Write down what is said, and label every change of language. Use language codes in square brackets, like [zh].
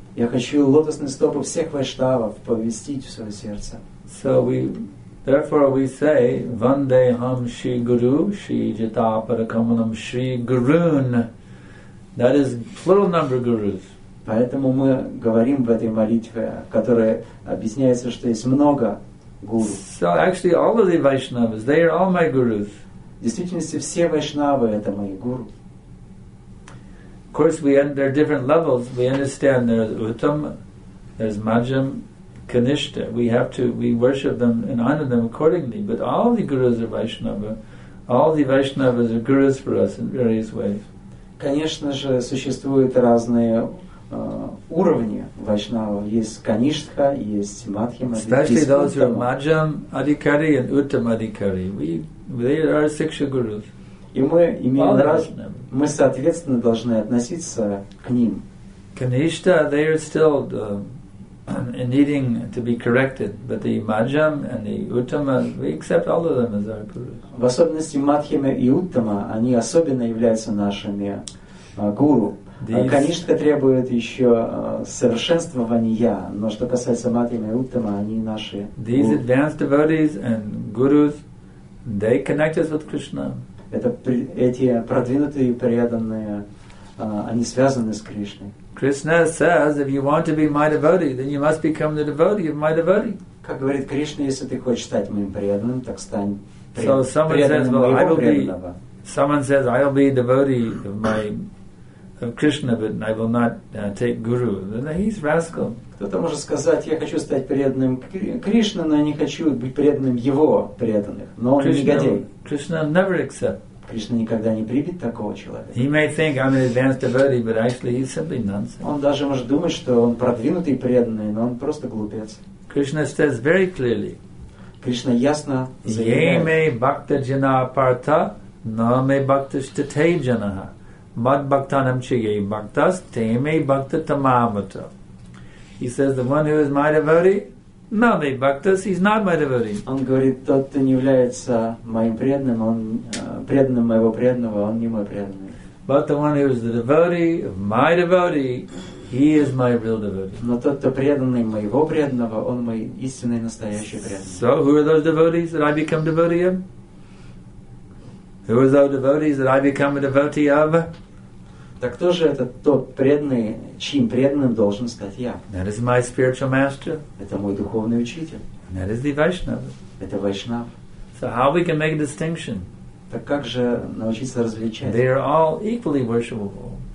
[ru] Я хочу лотосные стопы всех вайшнавов повестить в свое сердце. [en] So we, therefore we say, [sa] Vandeham Shri Guru, Shri Jatapadakamalam Shri Gurun. [en] That is plural number gurus. [ru] Поэтому мы говорим в этой молитве, которая объясняется, что есть много гуру. [en] So actually all of the Vaishnavas, they are all my gurus. [ru] В действительности все вайшнавы — это мои гуру. [en] Of course, there are different levels. We understand there's Uttam, there's Majjhim, Kanishta. We worship them and honor them accordingly. But all the gurus are Vaishnava. All the Vaishnavas are gurus for us in various ways. [ru] Конечно же, существуют разные уровни Вайшнава. Есть Каништа, есть Мадхима. [en] Especially those who are Majjhim Adhikari and Uttam Adhikari. They are Siksha gurus. [ru] И мы имеем мы соответственно должны относиться к ним. [en] Kanishta, they are still needing to be corrected, but the Majjhim and the Uttama, we accept all of them as our gurus. [ru] В особенности Мадхима и Уттама, они особенно являются нашими гуру. Kanishta требует еще совершенствования, но что касается Мадхима и Уттама, они наши. [en] These advanced devotees and gurus, they connect us with Krishna. [ru] Эти продвинутые и преданные, они связаны с Кришной. [en] Krishna says, if you want to be my devotee, then you must become the devotee of my devotee. [ru] Как говорит Кришна, если ты хочешь стать моим преданным, так стань преданным. [en] Someone says, I will be a devotee of my of Krishna, but I will not take guru. Then he's rascal. [ru] Кто-то может сказать, я хочу стать преданным Кришне, но я не хочу быть преданным Его преданных. Но он негодяй. [en] Krishna never accepts. [ru] Кришна никогда не примет такого человека. [en] He may think I'm an advanced devotee, but actually he's simply nonsense. [ru] Он даже может думать, что он продвинутый преданный, но он просто глупец. [en] Krishna says very clearly. [ru] Кришна ясно заявляет. [sa] Yeme bhakta jana partha Name bhaktishti te janaha. Mad bhaktanam chiye bhaktas te me bhakta tamamata. [en] He says, the one who is my devotee, [sa] name bhaktas, [en] he's not my devotee. [ru] Он говорит, тот, кто не является моим преданным, он преданным моего преданного, он не мой преданный. [en] But the one who is the devotee of my devotee, he is my real devotee. [ru] Но тот, кто преданный моего преданного, он мой истинный настоящий преданный. [en] So who are those devotees that I become devotee of? Who are those devotees that I become a devotee of? [ru] Так кто же это тот преданный, чьим преданным должен стать я? [en] That is my spiritual master. [ru] Это мой духовный учитель. [en] And that is the Vaishnava. [ru] Это Вайшнав. [en] So how we can make a distinction? [ru] Так как же научиться различать? [en] They are all equally worshipable.